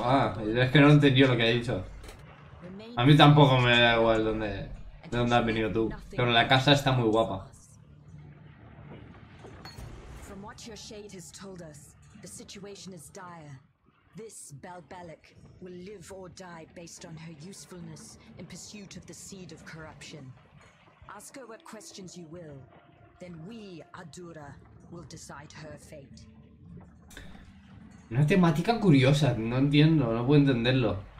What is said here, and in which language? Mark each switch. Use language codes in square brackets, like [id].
[es] Ah, es que no entendí lo que ha dicho. A mí tampoco me da igual de dónde has venido tú. Pero la casa está muy guapa. [en] From what your shade has told us, the situation is dire. This Belbelic will live or die based on her usefulness in pursuit of the seed of corruption. Ask her what questions you will, then we, Adura, will decide her fate. [es] Una temática curiosa, no entiendo, no puedo entenderlo.